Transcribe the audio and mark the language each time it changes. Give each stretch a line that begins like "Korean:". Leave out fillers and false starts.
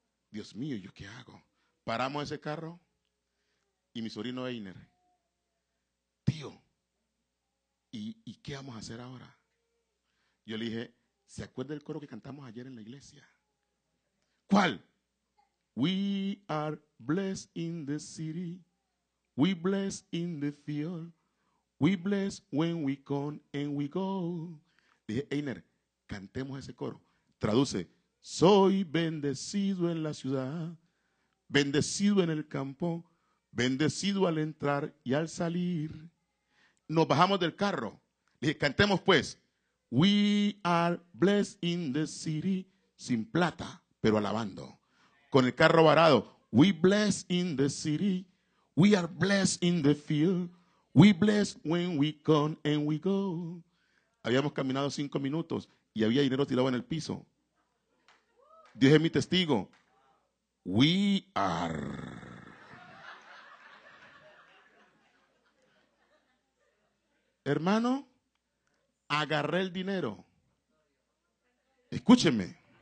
Spanish: Dios mío, ¿yo qué hago? Paramos ese carro y mi sobrino Einer, tío, ¿Y qué vamos a hacer ahora? Yo le dije, ¿se acuerda del coro que cantamos ayer en la iglesia? ¿Cuál?
English: We are blessed in the city. We bless in the field. We bless when we come and we go.
Spanish: Le dije, Einer, cantemos ese coro. Traduce, soy bendecido en la ciudad, bendecido en el campo, bendecido al entrar y al salir. Nos bajamos del carro. Le dije, cantemos pues.
English: We are blessed in the city.
Spanish: Sin plata, pero alabando. Con el carro varado.
English: We bless in the city. We are blessed in the field. We bless when we come and we go.
Spanish: Habíamos caminado 5 minutos y había dinero tirado en el piso. Dios es mi testigo.
English: We are.
Spanish: Hermano, agarré el dinero. Escúcheme.